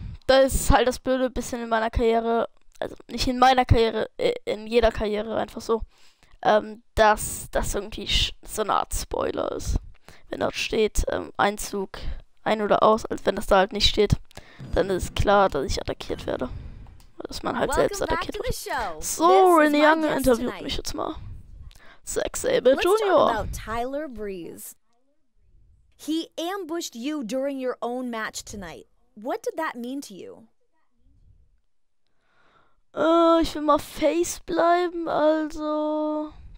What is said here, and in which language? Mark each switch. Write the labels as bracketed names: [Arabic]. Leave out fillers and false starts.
[German] Da ist halt das Blöde bisschen in meiner Karriere, also nicht in meiner Karriere, in jeder Karriere einfach so, dass das irgendwie so eine Art Spoiler ist. Wenn dort steht, Einzug, ein oder aus, als wenn das da halt nicht steht, dann ist klar, dass ich attackiert werde. Dass man halt selbst attackiert wird. So, Renee Young interviewt mich jetzt mal. Zack Sabre Jr. Tyler Breeze. [English] He ambushed you during your own match tonight. What did that mean to you? [German] Ich will mal face bleiben, also.